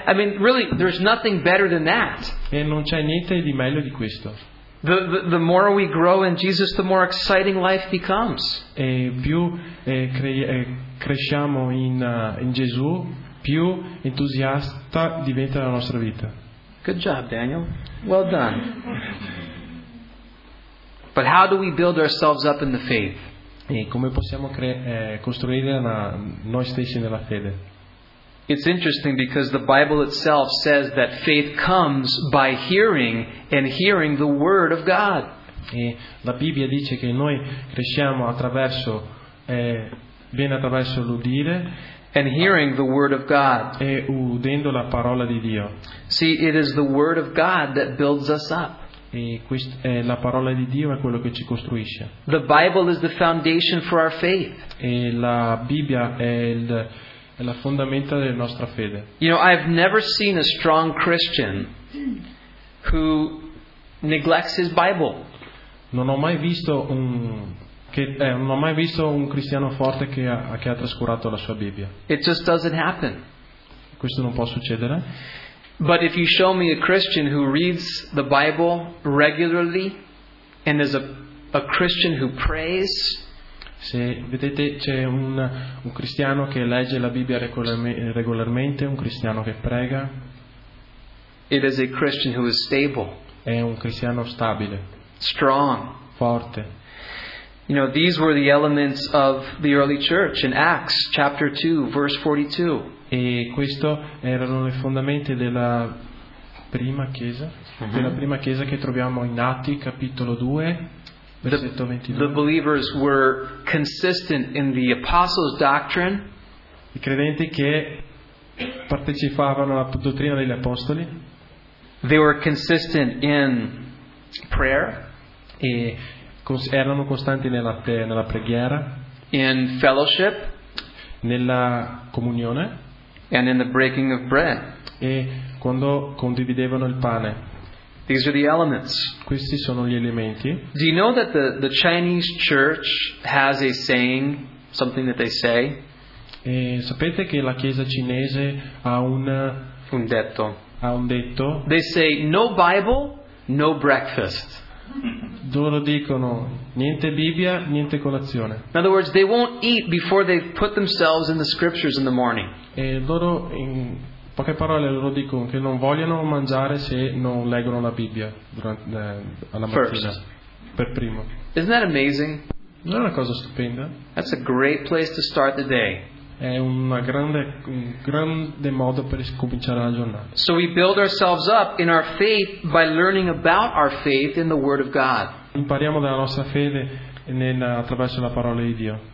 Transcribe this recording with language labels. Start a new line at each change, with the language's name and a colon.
English: I mean, really, there's nothing better than that.
Italian: E non c'è niente di meglio di questo.
English: The more we grow in Jesus, the more exciting life becomes.
Italian: E più cresciamo in Gesù, più entusiasta diventa la nostra vita.
English: Good job, Daniel. Well done. But how do we build ourselves up in the faith?
Italian: E come possiamo costruire noi stessi nella fede?
English: It's interesting because the Bible itself says that faith comes by hearing and hearing the word of God.
Italian: E la Bibbia dice che noi cresciamo attraverso viene attraverso l'udire
English: and hearing the word of God.
Italian: E udendo la parola di Dio.
English: See, it is the word of God that builds us up.
Italian: E questa è la parola di Dio, è quello che ci costruisce.
English: The Bible is the foundation for our faith.
Italian: E la Bibbia è la fondamenta della nostra fede.
English: You know, I've never seen a strong Christian who neglects his Bible.
Italian: Non ho mai visto un cristiano forte che ha trascurato la sua Bibbia.
English: It just doesn't happen.
Italian: Questo non può succedere.
English: But if you show me a Christian who reads the Bible regularly and is a Christian who prays.
Italian: Se vedete c'è un cristiano che legge la Bibbia regolarmente, un cristiano che prega.
English: It is a Christian who is stable.
Italian: È un cristiano stabile.
English: Strong.
Italian: Forte.
English: You know, these were the elements of the early church in Acts chapter 2 verse 42.
Italian: E questo erano le fondamenta della prima chiesa, della prima chiesa che troviamo in Atti capitolo 2.
English: The believers were consistent in the apostles' doctrine.
Italian: I credenti che partecipavano alla dottrina degli apostoli.
English: They were consistent in prayer.
Italian: E erano costanti nella preghiera.
English: In fellowship.
Italian: Nella comunione.
English: And in the breaking of bread.
Italian: E quando condividevano il pane.
English: These are the elements.
Italian: Questi sono gli elementi.
English: Do you know that the Chinese church has a saying, something that they say?
Italian: E sapete che la chiesa cinese ha un detto. Ha un detto.
English: They say no Bible, no breakfast.
Italian: Loro dicono niente Bibbia, niente colazione.
English: In other words, they won't eat before they put themselves in the scriptures in the morning.
Italian: E loro in poche parole loro dicono che non vogliono mangiare se non leggono la Bibbia alla mattina. Per primo.
English: Isn't that amazing?
Italian: Non è una cosa stupenda?
English: That's a great place to start the day.
Italian: È un grande modo per cominciare la giornata.
English: So we build ourselves up in our faith by learning about our faith in the Word of God.
Italian: Impariamo dalla nostra fede attraverso la parola di Dio.